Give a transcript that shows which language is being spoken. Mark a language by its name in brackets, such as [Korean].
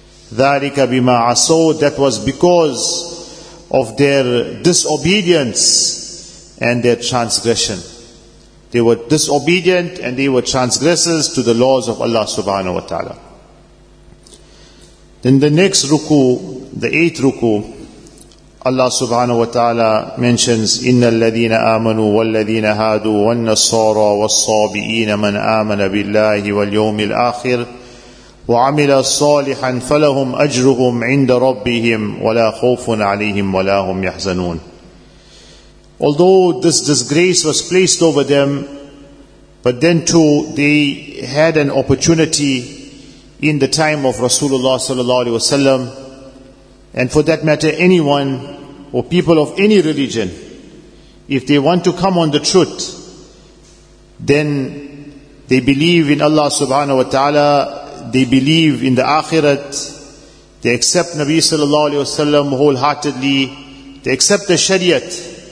[Arabic] ذَلِكَ بِمَا عَصَوْا. [English] That was because of their disobedience and their transgression. They were disobedient and they were transgressors to the laws of Allah subhanahu wa ta'ala. Then the next ruku, the eighth ruku, Allah subhanahu wa ta'ala mentions, [Arabic] إِنَّ الَّذِينَ آمَنُوا وَالَّذِينَ هَادُوا وَالنَّصَارَى وَالصَّابِئِينَ مَنْ آمَنَ بِاللَّهِ وَالْيَوْمِ الْآخِرِ وَعَمِلَ صَالِحًا فَلَهُمْ أَجْرُهُمْ عِنْدَ رَبِّهِمْ وَلَا خَوْفٌ عَلَيْهِمْ وَلَا هُمْ يَحْزَنُونَ. [English] Although this disgrace was placed over them, but then too they had an opportunity in the time of Rasulullah sallallahu alayhi wa sallam, and for that matter, anyone or people of any religion, if they want to come on the truth, then they believe in Allah subhanahu wa ta'ala, they believe in the akhirat, they accept Nabi sallallahu alayhi wa sallam wholeheartedly, they accept the shariat.